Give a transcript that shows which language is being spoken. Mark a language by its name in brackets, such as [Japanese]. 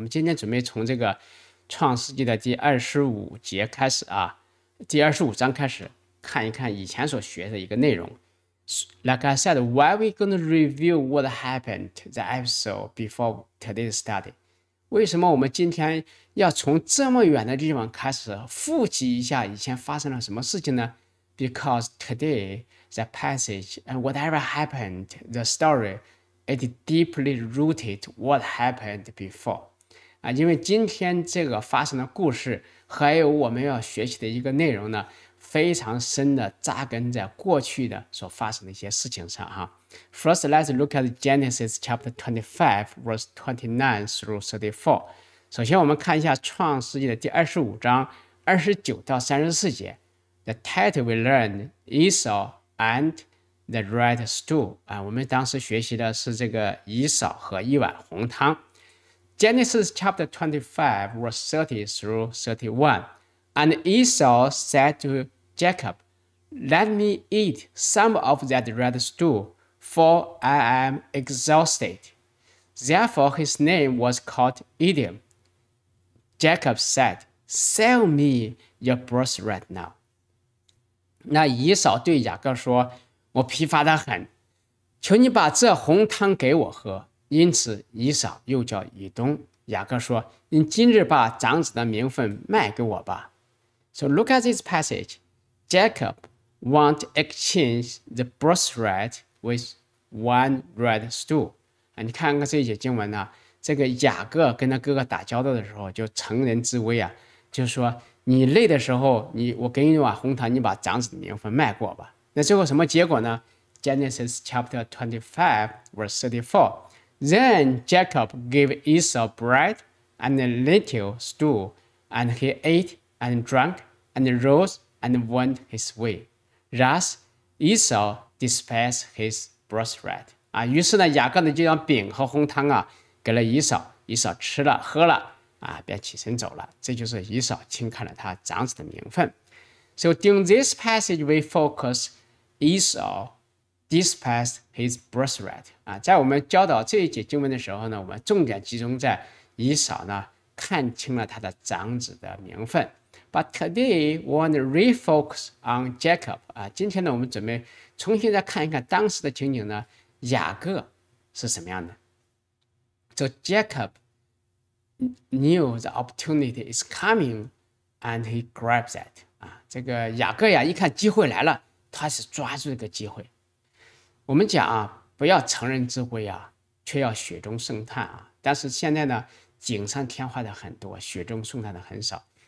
[Chinese] 我们今天准备从这个创世纪的第二十五节开始啊，第二十五章开始看一看以前所学的一个内容。 [English] Like I said, why are we going to review what happened the episode before today's study? [Chinese] 为什么我们今天要从这么远的地方开始复习一下以前发生了什么事情呢？ [English] Because today, the passage and whatever happened, the story, it deeply rooted what happened before. [Chinese] 因为今天这个发生的故事还有我们要学习的一个内容呢，非常深的扎根在过去的所发生的一些事情上啊。 [English] First, let's look at Genesis chapter 25, verse 29 through 34. [Chinese] 首先我们看一下创世纪的第25章29到34节。 [English] The title we learned, Esau and the Red Stew. [Chinese] 我们当时学习的是这个以扫和一碗红汤。 [English] Genesis chapter 25, verse 30 through 31. And Esau said to Jacob, Let me eat some of that red stew, for I am exhausted. Therefore his name was called Edom. Jacob said, Sell me your birthright now. [Chinese] 那以扫对雅各说，我疲乏得很，求你把这红汤给我喝。因此以扫又叫以东。雅各说，你今日把长子的名分卖给我吧。 [English] So look at this passage. Jacob want to exchange the birthright with one red stew. [Chinese] 你看看这些经文啊，这个雅各跟他哥哥打交道的时候就成人之危啊，就是说你累的时候你我给你碗红糖，你把长子的名分卖给我吧。那最后什么结果呢？ [English] Genesis chapter 25 verse 34. Then Jacob gave Esau bread and a little stew and he ateAnd drank, and rose, and went his way. Thus, Esau despised his birthright. [Chinese] 于是呢，雅各呢就将饼和红汤啊给了以扫，以扫吃了喝了，啊，便起身走了。这就是以扫轻看了他长子的名分。 [English] So during this passage, we focus Esau dispatched his birthright. [Chinese] 啊，在我们教导这一节经文的时候呢，我们重点集中在以扫呢看清了他的长子的名分。 [English] But today, we want to refocus on Jacob. [Chinese] 啊，今天呢，我们准备重新再看一看当时的情景呢，雅各是什么样的。 [English] So Jacob knew the opportunity is coming, and he grabs it. [Chinese] 啊，这个雅各呀，一看机会来了，他是抓住这个机会。我们讲啊，不要乘人之危啊，却要雪中送炭啊。但是现在呢，锦上添花的很多，雪中送炭的很少。